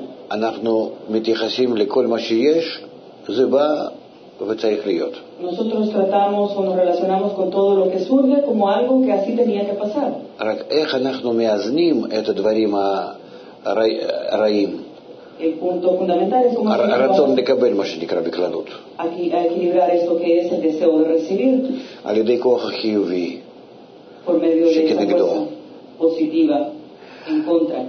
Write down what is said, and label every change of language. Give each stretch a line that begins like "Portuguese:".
Hebrew: אנחנו מתייחסים לכל מה שיש, זה בא וצריך להיות.
Spanish: Nosotros tratamos o nos relacionamos con todo lo que surge como algo que así tenía que pasar.
Hebrew: רק איך אנחנו מאזנים את הדברים הרעים.
Spanish: El punto fundamental es como
Hebrew: הרצון לקבל, מה שנקרא בכללות.
Spanish: Equilibrar esto que es el deseo de recibir.
Hebrew: על ידי כוח החיובי.
Spanish: Por medio de esa fuerza positiva en contra.